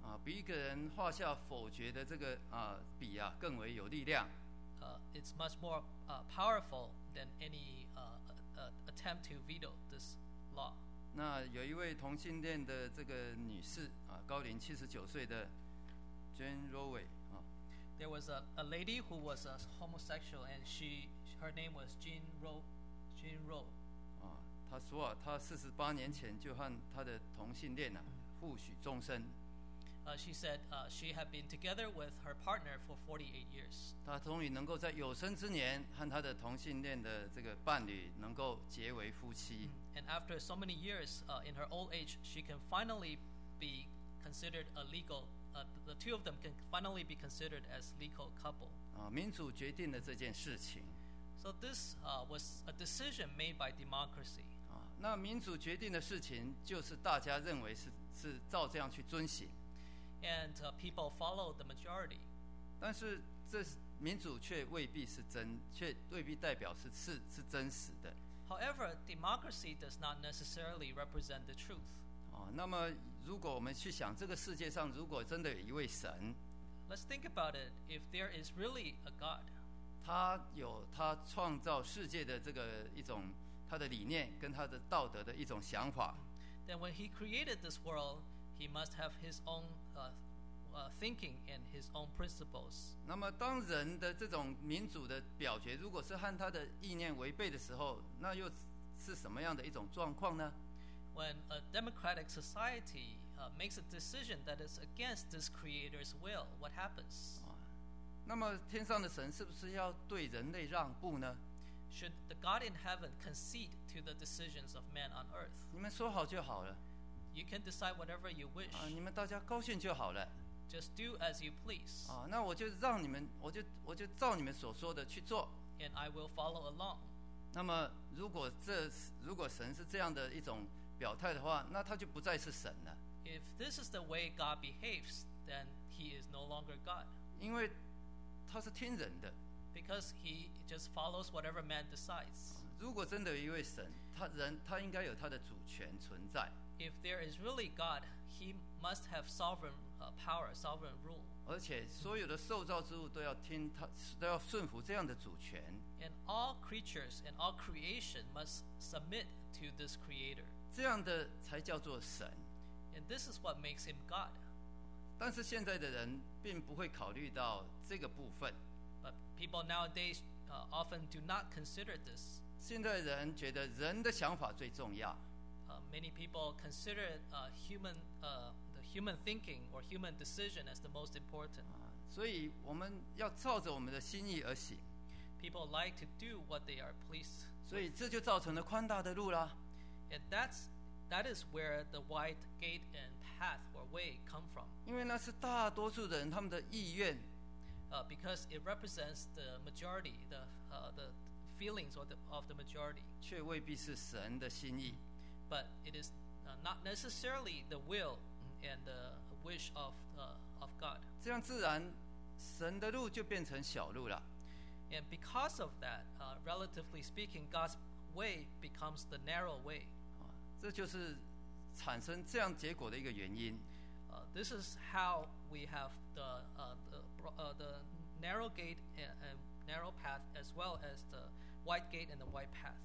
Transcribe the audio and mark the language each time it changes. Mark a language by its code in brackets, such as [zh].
[zh] 比一个人画下否决的这个笔更为有力量。 [en] It's much more powerful than any attempt to veto this law. [zh] 那有一位同性恋的这个女士高龄79岁的 Jane Roway [en] There was a lady who was a homosexual and she her name was Jane Roe [zh] 她说她48年前就和她的同性恋互许终身。 [en] She said she had been together with her partner for 48 years. [zh] 她终于能够在有生之年和她的同性恋的这个伴侣能够结为夫妻。 [en] And after so many years, in her old age, she can finally be considered a legal, the two of them can finally be considered as legal couple. [zh] 民主决定了这件事情。 [en] So this was a decision made by democracy. [zh] 那民主决定的事情就是大家认为是照这样去遵行。 [en] And people follow the majority. [zh] 但是这民主却未必是真，却未必代表是真实的。 [en] However, democracy does not necessarily represent the truth. [zh] 那么如果我们去想这个世界上如果真的有一位神， [en] Let's think about it. If there is really a God, [zh] 他有他创造世界的这个一种他的理念跟他的道德的一种想法， [en] Then when he created this world, he must have his own thinking and his own principles. [zh] 那么当人的这种民主的表决如果是和他的意念违背的时候，那又是什么样的一种状况呢？ [en] When a democratic society makes a decision that is against this creator's will, what happens? [zh] 那么天上的神是不是要对人类让步呢？ [en] Should the God in heaven concede to the decisions of man on earth? [zh] 你们说好就好了。 [en] You can decide whatever you wish. [zh] 你们大家高兴就好了。 [en] Just do as you please. [zh] 那我就照你们所说的去做。 [en] And I will follow along. [zh] 那么如果神是这样的一种表态的话，那他就不再是神了。 [en] If this is the way God behaves, then he is no longer God. [zh] 因为他是听人的。 [en] Because he just follows whatever man decides. [zh] 如果真的有一位神，他应该有他的主权存在。 [en] If there is really God, he must have sovereign power, sovereign rule. [zh] 而且所有的受造之物都要听他，都要顺服这样的主权。 [en] And all creatures and all creation must submit to this creator. [zh] 这样的才叫做神。 [en] And this is what makes him God. [zh] 但是现在的人并不会考虑到这个部分。 [en] But people nowadays often do not consider this. [zh] 现在人觉得人的想法最重要。 [en] Many people consider human thinking or human decision as the most important. [zh] 所以我们要照着我们的心意而行。 [en] People like to do what they are pleased. [zh] 所以这就造成了宽大的路了。 [en] And that is where the wide gate and path or way come from. [zh] 因为那是大多数人他们的意愿。 [en] Because it represents the majority, the feelings of the majority. [zh] 却未必是神的心意。 [en] But it is not necessarily the will and the wish of God. [zh] 这样自然，神的路就变成小路了。 [en] And because of that, relatively speaking, God's way becomes the narrow way. [zh] 这就是产生这样结果的一个原因。 [en] This is how we have the narrow gate and narrow path, as well as the wide gate and the wide path.